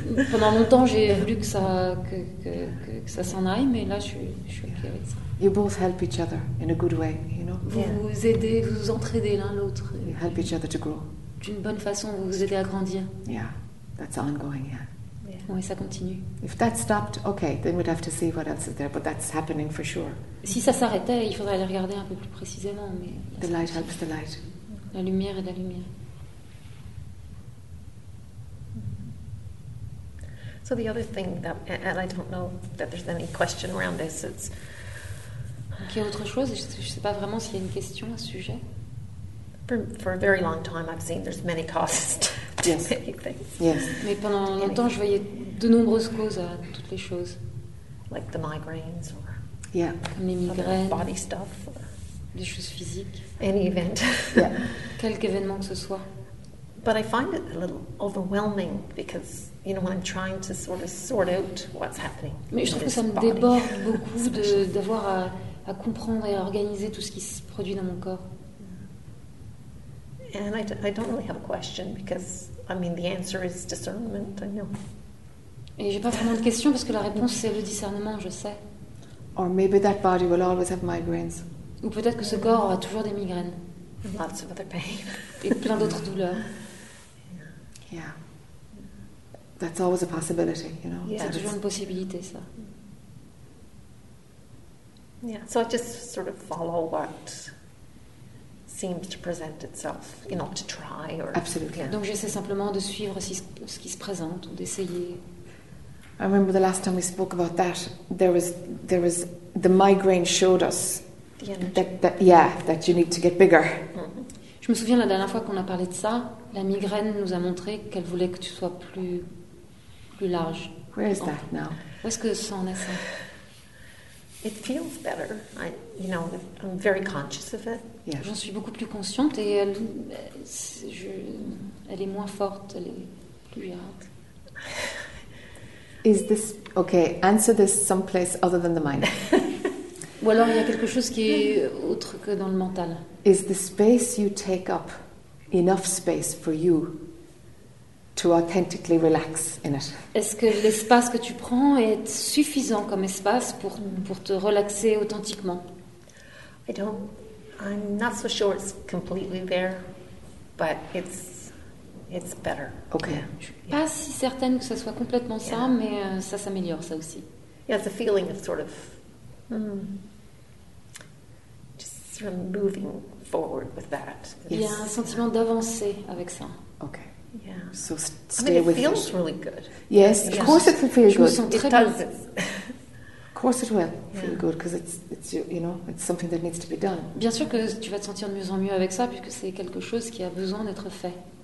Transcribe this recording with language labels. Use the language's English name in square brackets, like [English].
[French] Pendant longtemps, j'ai voulu que ça s'en aille, mais là, je suis OK avec ça. [English] You both help each other in a good way, you know. [French] Vous aidez, vous entraidez l'un l'autre. [English] You help each other to grow. [French] D'une bonne façon, vous vous aidez à grandir. [English] Yeah, that's ongoing. Yeah. [French] Oui, ça continue. [English] If that stopped, okay, then we'd have to see what else is there, but that's happening for sure. [French] Si ça s'arrêtait, il faudrait aller regarder un peu plus précisément, mais. [English] The light helps the light. [French] La lumière est la lumière. [English] So the other thing that, and I don't know that there's any question around this, it's... [French] Qu'il y a autre chose, je ne sais pas vraiment s'il y a une question à ce sujet. [English] For a very long time, I've seen there's many causes to many things. Yes. [French] Mais pendant longtemps, je voyais de nombreuses causes à toutes les choses. [English] Like the migraines or... Yeah. [French] Comme les migraines. [English] Other body stuff. [French] Des choses physiques. [English] Any event. Yeah. [French] Quelque événement que ce soit. [English] But I find it a little overwhelming because, you know, when I'm trying to sort out what's happening. [French] Mais je trouve que ça me déborde beaucoup d'avoir à comprendre et à organiser tout ce qui se produit dans mon corps. [English] And I don't really have a question because, I mean, the answer is discernment, I know. [French] Et j'ai pas vraiment de question parce que la réponse c'est le discernement, je sais. [English] Or maybe that body will always have migraines. [French] Ou peut-être que ce corps aura toujours des migraines. [English] Lots of other pain. [French] Et plein d'autres douleurs. [English] Yeah. That's always a possibility, you know. [French] Yeah. C'est toujours une possibilité, ça. [English] Yeah, so I just sort of follow what seems to present itself, you know, to try or... Absolutely. Yeah. [French] Donc j'essaie simplement de suivre ce qui se présente, ou d'essayer... [English] I remember the last time we spoke about that, there was the migraine showed us that you need to get bigger. [French] Je me souviens la dernière fois qu'on a parlé de ça, la migraine nous a montré qu'elle voulait que tu sois plus large. [English] Where is that now? [French] Où est-ce que ça en est ça? [English] It feels better. You know, I'm very conscious of it. Yes. [French] J'en suis beaucoup plus consciente et elle est moins forte, elle est plus large. [English] Is this okay? Answer this someplace other than the mind. [French] Ou alors il y a quelque chose qui est autre que dans le mental. [English] Is the space you take up enough space for you to authentically relax in it? [French] Est-ce que l'espace que tu prends est suffisant comme espace pour te relaxer authentiquement? [English] I'm not so sure it's completely there, but it's better. Okay. [French] Je suis pas si certaine que ça soit complètement ça, mais ça s'améliore ça aussi. [English] Yeah, it's a feeling of sort of. From moving forward with that. Yes. [French] Il y a un sentiment d'avancer avec ça. [English] Okay. Yeah. So stay with it. I mean, it feels really good. Yes, of course it can feel good. [French] Je me sens très bien. [English] It does. Of course it will feel good because it's you know, it's something that needs to be done. Bien sûr que tu vas te sentir de mieux en mieux avec ça puisque c'est quelque chose qui a besoin d'être fait.